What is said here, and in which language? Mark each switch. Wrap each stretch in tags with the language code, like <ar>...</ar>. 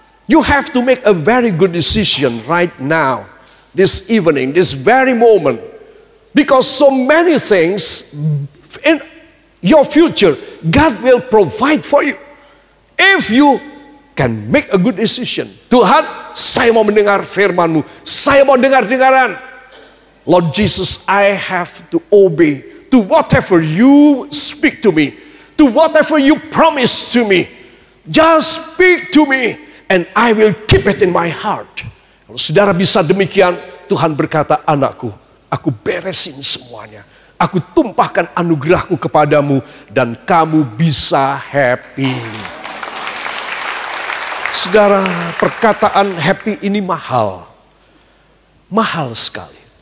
<en>You have to make a very good decision right now, this evening, this very moment. Because so many things in your future, God will provide for you. If you can make a good decision.</en> <id>Tuhan, saya mau mendengar firman-Mu. Saya mau dengar-dengaran.</id> <en>Lord Jesus, I have to obey to whatever you speak to me, to whatever you promise to me. Just speak to me, and I will keep it in my heart.</en> <id>Kalau saudara bisa demikian, Tuhan berkata, anakku, aku beresin semuanya. Aku tumpahkan anugerah-Ku kepadamu, dan kamu bisa happy. Saudara, perkataan happy ini mahal. Mahal sekali.</id>